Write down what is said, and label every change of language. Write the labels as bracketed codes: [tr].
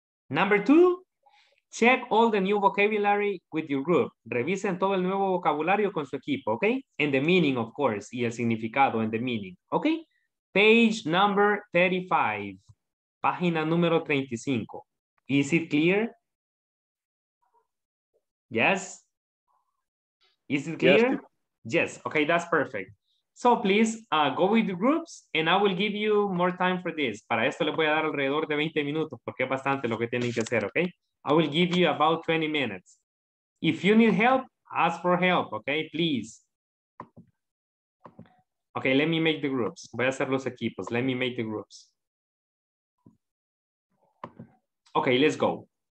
[en] Number two, check all the new vocabulary with your group. [es] Revisen todo el nuevo vocabulario con su equipo, okay? [en] And the meaning, of course, [es] y el significado [en] and the meaning, okay? Page number 35, [es] página número 35. [en] Is it clear? Yes? Is it clear? Yes, okay, that's perfect. So please go with the groups and I will give you more time for this. [es] Para esto le voy a dar alrededor de 20 minutos porque es bastante lo que tienen que hacer, okay? [en] I will give you about 20 minutes. If you need help, ask for help, okay? Please. Okay, let me make the groups. [es] Voy a hacer los equipos. [en] Let me make the groups. Okay, let's go.